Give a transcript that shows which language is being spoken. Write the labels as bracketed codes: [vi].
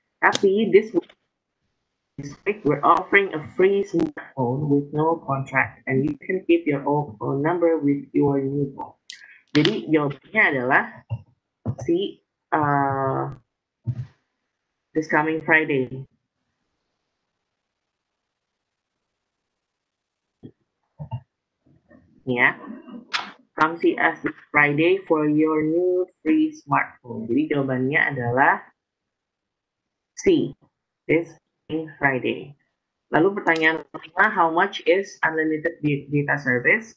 [en] Tapi this week we're offering a free smartphone with no contract and you can keep your old phone number with your new phone. [id] Jadi jawabannya adalah si [en] this coming Friday. Ya, come see us this Friday for your new free smartphone. [id] Jadi jawabannya adalah C, [en] this Friday. [id] Lalu pertanyaan pertama, [en] how much is unlimited data service?